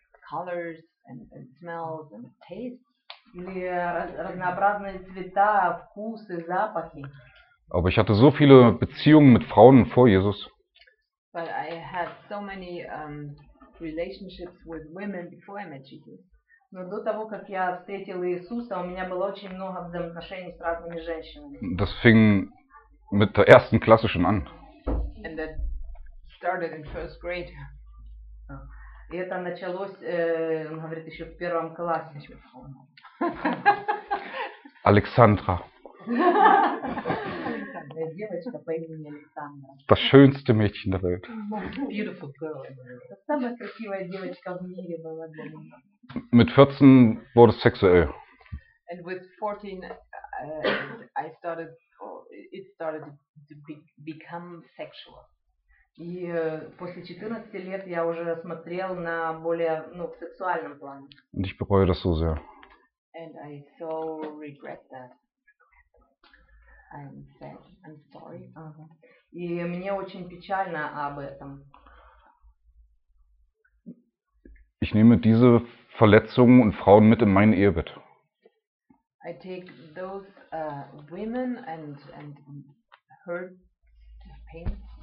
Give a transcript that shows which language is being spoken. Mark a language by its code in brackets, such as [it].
[en] Colors and smells and tastes. [ru] Или разнообразные цвета, вкусы, запахи. [de] Aber ich hatte so viele Beziehungen mit Frauen vor Jesus. [en] But I had so many relationships with women before I met Jesus. [ru] Но до того, как я встретил Иисуса, у меня было очень много взаимоотношений с разными женщинами. [de] Das fing mit der ersten klassischen an. [en] And that started in first grade. [ru] И это началось, он говорит, еще в первом классе. Александра. Девочка по имени Александра. [de] Das schönste Mädchen der Welt. [en] Beautiful girl. [ru] Самая красивая девочка в мире была. [de] Mit 14 wurde es sexuell. [en] And with 14 I started, it started to become sexual. [ru] И после 14 лет я уже смотрел на более, ну, в сексуальном плане. [de] Und ich bereue das so sehr. [en] And I so regret that. I'm sad. I'm sorry. [ru] И мне очень печально об этом. [de] Ich nehme diese Verletzungen und Frauen mit in mein Ehebett. [en] I take those women and hurt pain.